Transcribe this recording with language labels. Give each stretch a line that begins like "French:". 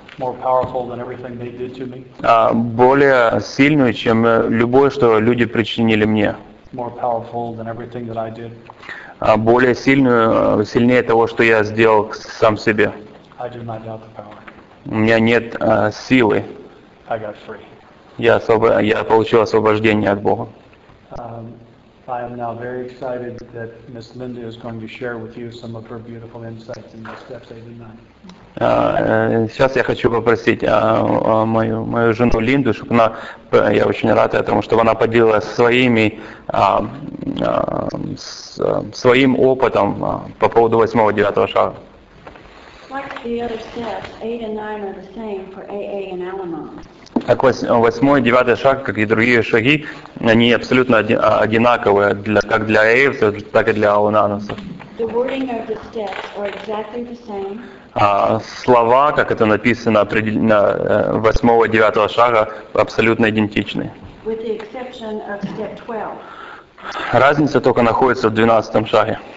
English: More powerful than everything they did to me.
Russian: Более сильную, чем любое, что люди причинили мне.
English: More powerful than everything that I did.
Russian: Более сильную, сильнее того, что я сделал сам себе.
English: I do not doubt the power.
Russian: У меня нет силы.
English: I got free.
Russian: Я получил освобождение от Бога.
English: I am now very excited that Miss Linda is going to share with you some of her beautiful insights in the steps 8 and 9.
Russian: Сейчас я хочу попросить мою жену Линду, чтобы она, я очень рад этому, чтобы она поделилась своим опытом по поводу 8-го и 9-го шага.
English: Like the other steps, 8 and 9 are the same for AA and Al-Anon.
Russian: Как 8-й, 9-й шаг, как и другие шаги, они абсолютно одинаковые, как для Эйвса, так и для Аунануса.
English: The wording of the steps are exactly the same.
Russian: Слова, как это написано, 8-го, 9-го шага, абсолютно идентичны.
English: With the exception of step 12.
Russian: Разница только находится в 12-м шаге.